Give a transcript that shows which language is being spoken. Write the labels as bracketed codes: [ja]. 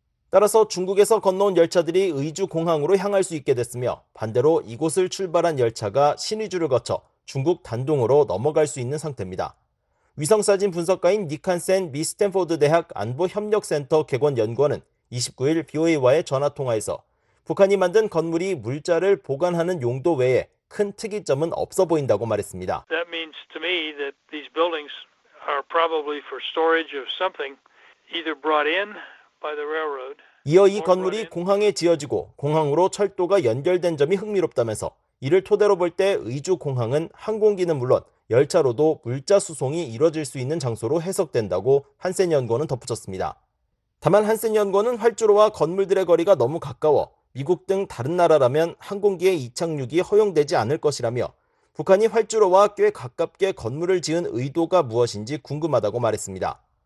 [ko] 따라서 중국에서 건너온 열차들이 의주 공항으로 향할 수 있게 됐으며 반대로 이곳을 출발한 열차가 신의주를 거쳐 중국 단둥으로 넘어갈 수 있는 상태입니다. 위성사진 분석가인 니칸센 미 스탠포드 대학 안보협력센터 객원연구원은 29일 BOA와의 전화통화에서 북한이 만든 건물이 물자를 보관하는 용도 외에 큰 특이점은 없어 보인다고 말했습니다. [en] That means to me that these buildings are probably for storage of something either brought in by the railroad. [ko] 이어 이 건물이 공항에 지어지고 공항으로 철도가 연결된 점이 흥미롭다면서 이를 토대로 볼 때 의주 공항은 항공기는 물론 열차로도 물자 수송이 이뤄질 수 있는 장소로 해석된다고 한센 연구원은 덧붙였습니다. 다만 한센 연구원은 활주로와 건물들의 거리가 너무 가까워 미국 등 다른 나라라면 항공기의 이착륙이 허용되지 않을 것이라며 북한이 활주로와 꽤 가깝게 건물을 지은 의도가 무엇인지 궁금하다고 말했습니다.